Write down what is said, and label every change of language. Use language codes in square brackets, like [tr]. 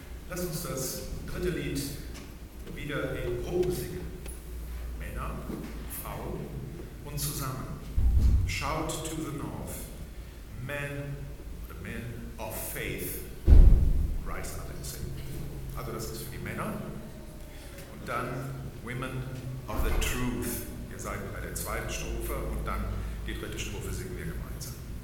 [de] lass uns das dritte Lied wieder in Proben singen. Männer, Frauen und zusammen. [en] Shout to the North. Men, the men of faith, rise up and sing. [de] Also das ist für die Männer. Und dann Women of the Truth. Ihr seid bei der zweiten Strophe und dann die dritte Strophe singen wir gemeinsam.